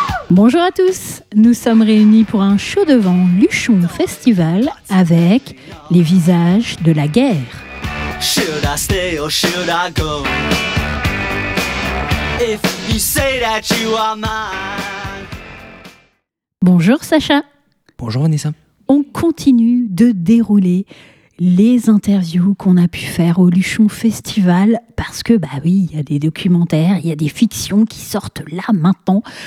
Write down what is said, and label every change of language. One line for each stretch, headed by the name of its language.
French: Bonjour à tous, nous sommes réunis pour un show devant Luchon Festival avec les visages de la guerre.
English: Should I stay or should I go? If you say that you are mine.
French: Bonjour Sacha. Bonjour Vanessa. On continue de dérouler les interviews qu'on a pu faire au Luchon Festival, parce que, bah oui, il y a des documentaires, il y a des fictions qui sortent là, maintenant.